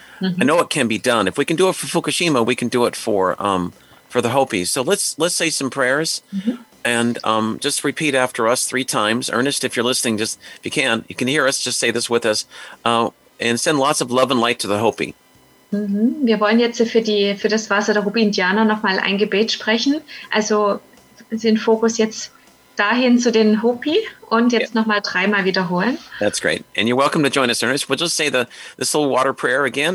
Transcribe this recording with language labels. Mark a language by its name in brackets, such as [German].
[English] Mm-hmm. I know it can be done. If we can do it for Fukushima, we can do it for the Hopi. So let's say some prayers. Mm-hmm. And just repeat after us three times. Ernest, if you're listening, just if you can, you can hear us, just say this with us. And send lots of love and light to the Hopi. Mm-hmm. [German] Wir wollen jetzt für das Wasser der Hopi-Indianer nochmal ein Gebet sprechen. Also sind Fokus jetzt dahin zu den Hopi und jetzt nochmal dreimal wiederholen. [English] That's great. And you're welcome to join us, Ernest. We'll just say this little water prayer again.